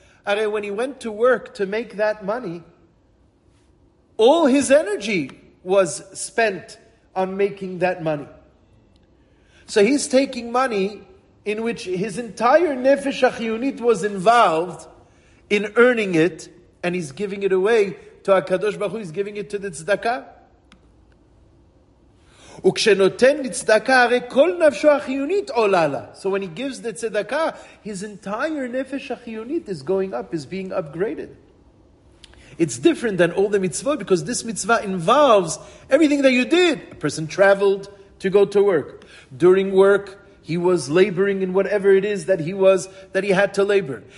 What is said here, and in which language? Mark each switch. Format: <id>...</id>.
<en>Hare, when he went to work to make that money, all his energy was spent on making that money. So he's taking money in which his entire nefesh achiyunit was involved in earning it, and he's giving it away to HaKadosh Baruch Hu, he's giving it to the tzedakah.</en> <he>וכשנותן לצדקה הרי כל נפשו החיונית עולה לה.</he> <en>So when he gives the tzedakah, his entire nefesh achiyunit is going up, is being upgraded. It's different than all the mitzvot because this mitzvah involves everything that you did. A person traveled to go to work. During work, he was laboring in whatever it is that he had to labor.</en>